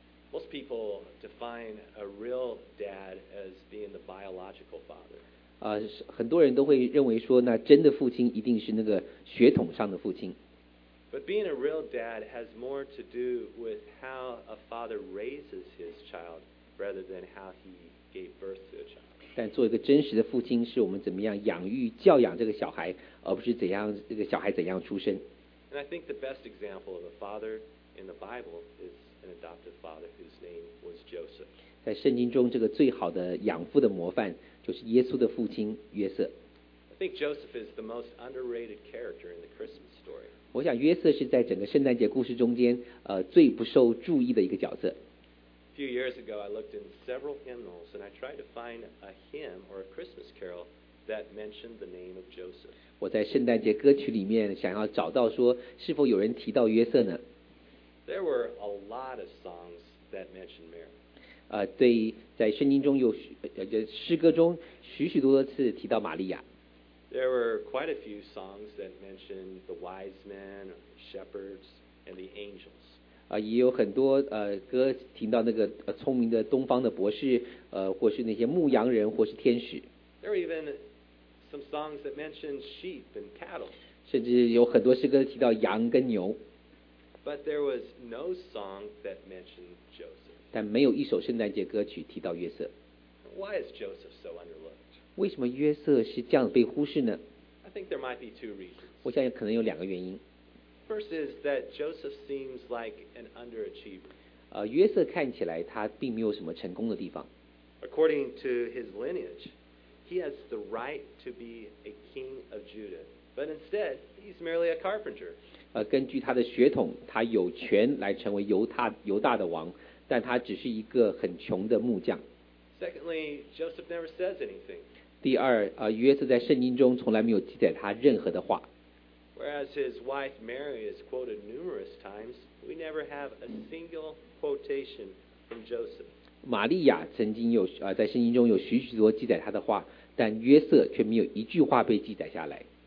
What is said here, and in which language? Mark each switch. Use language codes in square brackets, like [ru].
[en] Most people define a real dad as being the biological father. [zh] 很多人都会认为说那真的父亲一定是那个血统上的父亲。 [en] But being a real dad has more to do with how a father raises his child rather than how he gave birth to a child. [zh] 但做一个真实的父亲，是我们怎么样养育、教养这个小孩，而不是怎样这个小孩怎样出生。 [en] And I think the best example of a father in the Bible is an adoptive father whose name was Joseph. [zh] 在圣经中，这个最好的养父的模范就是耶稣的父亲约瑟。 [en] I think Joseph is the most underrated character in the Christmas story. [zh] 我想约瑟是在整个圣诞节故事中间，最不受注意的一个角色。 [en] A few years ago, I looked in several hymnals and I tried to find a hymn or a Christmas carol that mentioned the name of Joseph. [zh] 我在圣诞节歌曲里面想要找到说是否有人提到约瑟呢？ [en] There were a lot of songs that mentioned Mary. [zh] 对，在圣经中有诗歌中许许多多次提到玛利亚。 [en] There were quite a few songs that mentioned the wise men, or the shepherds, and the angels. [zh] 也有很多歌提到那个聪明的东方的博士，或是那些牧羊人，或是天使。 [en] There were even some songs that mentioned sheep and cattle. [zh] 甚至有很多诗歌提到羊跟牛。 [en] But there was no song that mentioned Joseph. [zh] 但没有一首圣诞节歌曲提到约瑟。 [en] Why is Joseph so underlooked? [zh] 为什么约瑟是这样被忽视呢？ [en] I think there might be two reasons. [zh] 我想可能有两个原因。 [en] First is that Joseph seems like an underachiever. [zh] 约瑟看起来他并没有什么成功的地方。 [en] According to his lineage, he has the right to be a king of Judah, but instead, he's merely a carpenter. [zh] 根据他的血统，他有权来成为犹大的王，但他只是一个很穷的木匠。 [en] Secondly, Joseph never says anything. [zh] 第二，约瑟在圣经中从来没有记载他任何的话。 [en] Whereas his wife Mary is quoted numerous times, we never have a single quotation from Joseph. [zh] 玛利亚曾经有在圣经中有许许多记载他的话，但约瑟却没有一句话被记载下来。